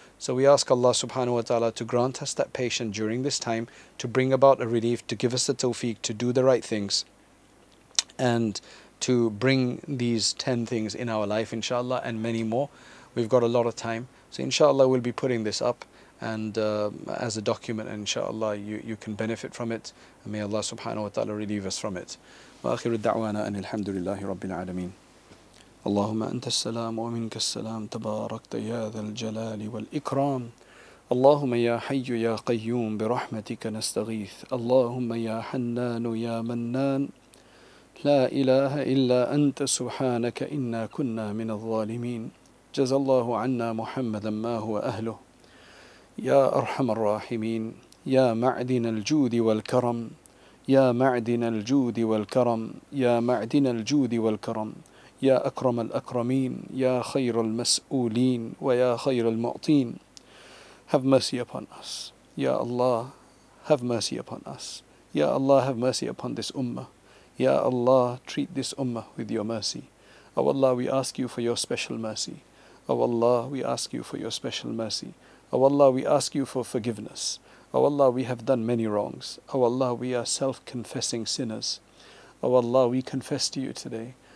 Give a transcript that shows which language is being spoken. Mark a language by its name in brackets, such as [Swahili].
[English] So we ask Allah subhanahu wa ta'ala to grant us that patience during this time, to bring about a relief, to give us the tawfiq, to do the right things, and to bring these 10 things in our life, inshallah, and many more. We've got a lot of time. So inshallah, we'll be putting this up and as a document, and inshallah, you can benefit from it. And may Allah subhanahu wa ta'ala relieve us from it. [Arabic] وآخر الدعوانا أن الحمد لله رب العالمين اللهم أنت السلام ومنك السلام تباركت يا ذا الجلال والإكرام اللهم يا حي يا قيوم برحمتك نستغيث اللهم يا حنان يا منان لا إله إلا أنت سبحانك إنا كنا من الظالمين جزى الله عنا محمدا ما هو أهله يا أرحم الراحمين يا معدن الجود والكرم يا معدن الجود والكرم يا معدن الجود والكرم يا أكرم الأكرمين يا خير المسؤولين ويا خير المعطين [English] Have mercy upon us. Ya Allah, have mercy upon us. Ya Allah, have mercy upon this ummah. Ya Allah, treat this ummah with your mercy. Oh Allah, we ask you for your special mercy. Oh Allah, we ask you for your special mercy. Oh Allah, we ask you for forgiveness. O Allah, we have done many wrongs. O Allah, we are self-confessing sinners. O Allah, we confess to you today.